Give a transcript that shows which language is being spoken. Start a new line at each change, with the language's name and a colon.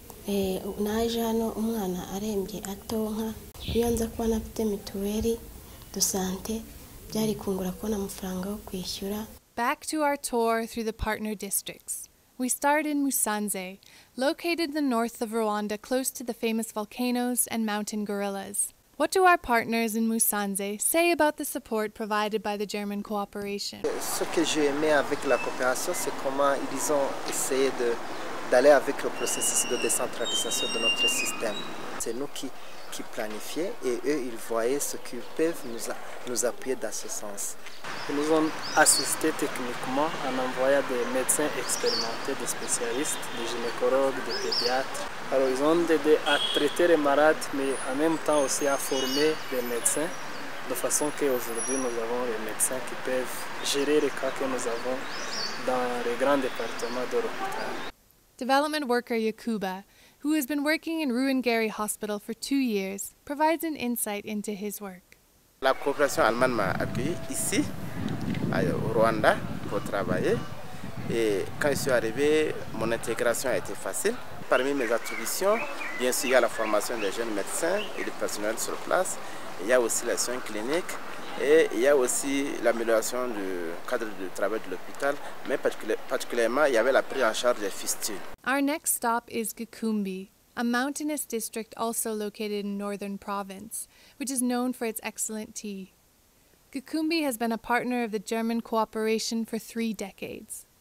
Kinyarwanda: naje hano umwana arembye atonka iyo nza kuba nafite mituweli de sante byari kungura kubona amafaranga yo kwishyura.
English: Back to our tour through the partner districts. We start in Musanze, located in the north of Rwanda, close to the famous volcanoes and mountain gorillas. What do our partners in Musanze say about the support provided by the German cooperation?
French: Ce que j'ai aimé avec la coopération, c'est comment ils ont essayé d'aller avec le processus de décentralisation de notre système. C'est nous qui planifiaient et eux, ils voyaient ce qu'ils peuvent nous appuyer dans ce sens. Ils nous ont assisté techniquement en envoyant des médecins expérimentés, des spécialistes, des gynécologues, des pédiatres. Alors ils ont aidé à traiter les malades, mais en même temps aussi à former les médecins, de façon qu'aujourd'hui nous avons les médecins qui peuvent gérer les cas que nous avons dans les grands départements de l'hôpital.
English: Development worker Yakuba, who has been working in Rwandan-German Hospital for 2 years, provides an insight into his work.
French: La coopération allemande m'a accueilli ici, au Rwanda, pour travailler. Et quand je suis arrivé, mon intégration a été facile. Parmi mes attributions, bien sûr, il y a la formation des jeunes médecins et du personnel sur place. Il y a aussi les soins cliniques et il y a aussi l'amélioration du cadre de travail de l'hôpital. Mais particulièrement, il y avait la prise en charge des fistules.
English: Our next stop is Gikumbi, a mountainous district also located in Northern Province, which is known for its excellent tea. Gikumbi has been a partner of the German cooperation for 3 decades.